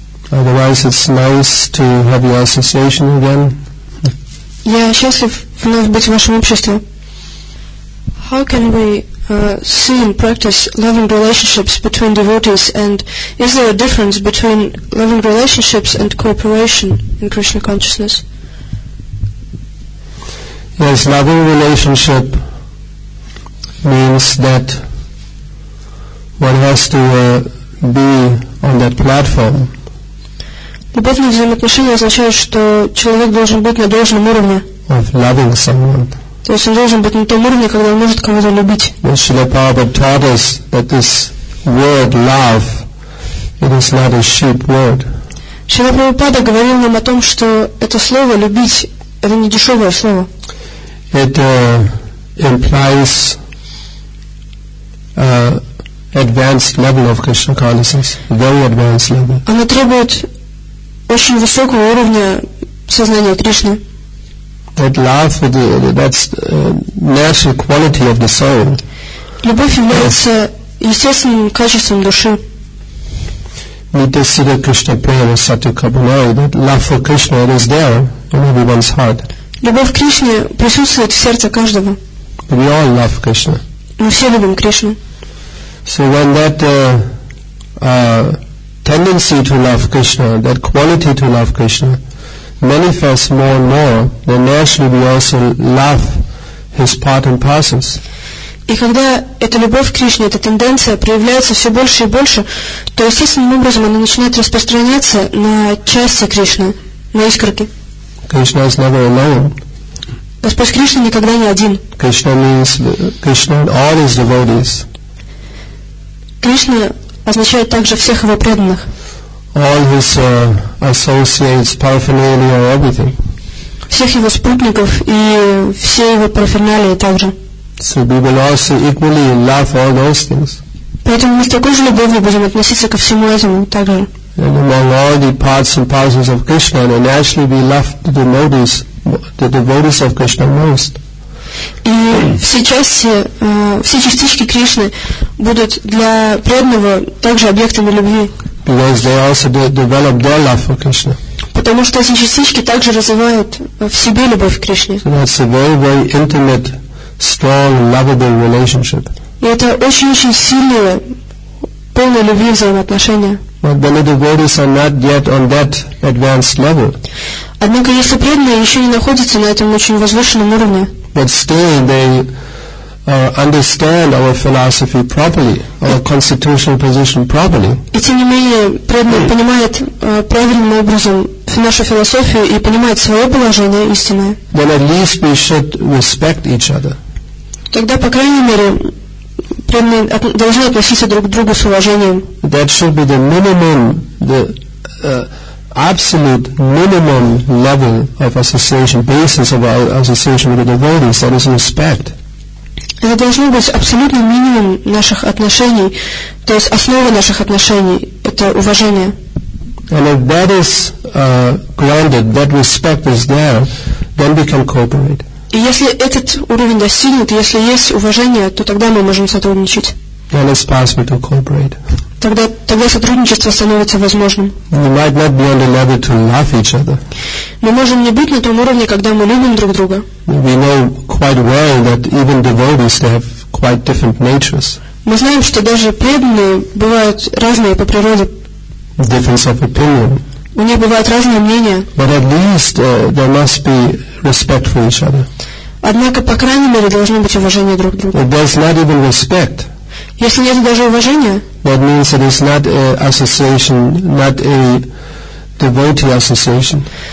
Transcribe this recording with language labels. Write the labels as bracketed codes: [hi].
[en] Otherwise it's nice to have your association again. [ru] Я счастлив вновь быть в вашем обществе. [en] How can we see and practice loving relationships between devotees, and is there a difference between loving relationships and cooperation in Krishna consciousness? Yes, loving relationship means that one has to be on that platform. [ru] Любовные взаимоотношения означают, что человек должен быть на должном уровне. [en] Of loving someone. [ru] То есть он должен быть на том уровне, когда он может кого-то любить. [en] Шрила Прабхупада taught us that this word love, it is not a cheap word. [ru] Шрила Прабхупада говорил нам о том, что это слово любить, это не дешевое слово. [en] It implies advanced level of Krishna consciousness, very advanced level. [ru] Оно требует очень высокого уровня сознания Кришны. [en] That love, that's the natural quality of the soul. [ru] Любовь является естественным качеством души. [bn] Nitya Siddha Krishna Prema Satya Kabunai, [en] that love for Krishna, it is there in everyone's heart. [ru] Любовь к Кришне присутствует в сердце каждого. [en] We all love Krishna. [ru] Мы все любим Кришну. [en] So when that tendency to love Krishna, that quality to love Krishna, manifest more and more, then naturally we also love his part and parcels. [ru] И когда эта любовь к Кришне, эта тенденция проявляется все больше и больше, то естественным образом она начинает распространяться на части Кришны, на искорки. [en] Krishna is never alone. [ru] Господь Кришна никогда не один. [en] Krishna means Krishna and all his devotees. [ru] Кришна означает также всех его преданных. [en] all his associates, paraphernalia, or everything. [ru] Всех его спутников и все его парафернали также. [en] So we will also equally love all those things. [ru] Поэтому мы с такой же любовью будем относиться ко всему этому также. [en] And among all the parts and parcels of Krishna, and actually we love the devotees, the devotees of Krishna most. [ru] И все части, все частички Кришны будут для преданного также объектами любви. [en] Because they also develop their love for Krishna. [ru] Потому что эти частички также развивают в себе любовь к Кришне. [en] So that's a very, very intimate, strong, lovable relationship. [ru] И это очень-очень сильное, полное любви взаимоотношения. [en] But when the devotees are not yet on that advanced level. [ru] Однако если преданные еще не находятся на этом очень возвышенном уровне. [en] But still they understand our philosophy properly, our constitutional position properly. [ru] И тем не менее преданные понимают правильным образом нашу философию и понимают свое положение истинное. [en] Then at least we should respect each other. [ru] Тогда по крайней мере преданные должны относиться друг к другу с уважением. [en] That should be the minimum, the absolute minimum level of association, basis of our association with the devotees, that is respect. [ru] Это должно быть абсолютный минимум наших отношений, то есть основа наших отношений – это уважение. [en] And if that is granted, that respect is there, then we can cooperate. [ru] И если этот уровень достигнут, если есть уважение, то тогда мы можем сотрудничать. [en] Then it's possible to cooperate. [ru] Тогда сотрудничество становится возможным. [en] We might not be on the level to love each other. [ru] Мы можем не быть на том уровне, когда мы любим друг друга. [en] We know quite well that even devotees they have quite different natures. [ru] Мы знаем, что даже преданные бывают разные по природе. [en] Difference of opinion. [ru] У них бывают разные мнения. [en] But at least there must be respect for each other. [ru] Однако по крайней мере должно быть уважение друг к другу. [en] If there's not even respect. [ru] Если нет даже уважения, [en] that means it is not an association, not a devotee association.